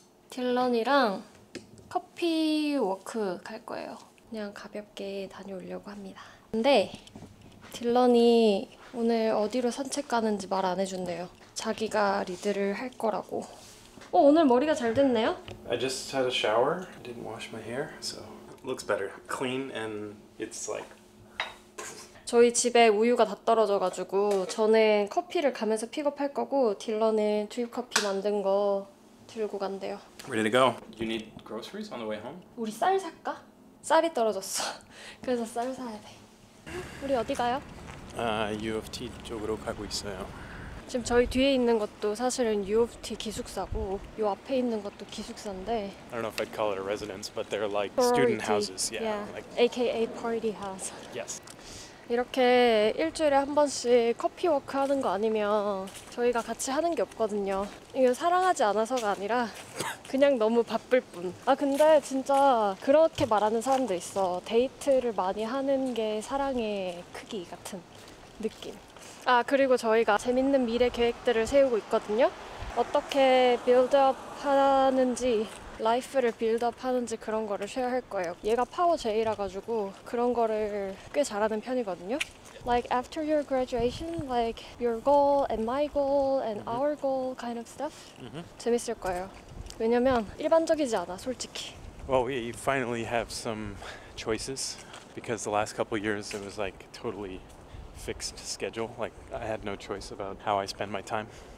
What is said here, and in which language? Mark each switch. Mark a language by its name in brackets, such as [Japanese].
[Korean] 딜런이랑 커피 워크 갈 거예요. 그냥 가볍게 다녀오려고 합니다. 근데 딜런이 오늘 어디로 산책 가는지 말 안 해준대요. 자기가 리드를 할 거라고. 어, 오늘 머리가 잘 됐네요? [English] I just had a shower. I didn't wash my hair, so looks better. Clean and it's like... [Korean] 저희 집에 우유가 다 떨어져가지고 저는 커피를 가면서 픽업할 거고 딜런은 드립커피 만든 거 들고 간대요. [English] Ready to go. You need groceries on the way home? [Korean] 우리 쌀 살까? 쌀이 떨어졌어. 그래서 쌀 사야 돼. 우리 어디 가요? U of T 쪽으로 가고 있어요. 지금 저희 뒤에 있는 것도 사실은 U of T 기숙사고 요 앞에 있는 것도 기숙사인데 [English] I don't know if I'd call it a residence, but they're like party. student houses. Yeah, yeah. Like... AKA party house. Yes. [Korean] 이렇게 일주일에 한 번씩 커피 워크 하는 거 아니면 저희가 같이 하는 게 없거든요. 이거 사랑하지 않아서가 아니라 그냥 너무 바쁠 뿐. 아 근데 진짜 그렇게 말하는 사람도 있어. 데이트를 많이 하는 게 사랑의 크기 같은 느낌. 아 그리고 저희가 재밌는 미래 계획들을 세우고 있거든요. 어떻게 빌드업 하는지 라이프를 빌드업 하는지 그런 거를 쉐어할 거예요. 얘가 파워 제이라 가지고 그런 거를 꽤 잘하는 편이거든요. [English] Like after your graduation, like your goal and my goal and our goal kind of stuff. [Korean] Mm-hmm. 재밌을 거예요. 왜냐면 일반적이지 않아, 솔직히. [English] Well, we finally have some choices because the last couple years it was like totally fixed schedule. Like I had no choice about how I spend my time.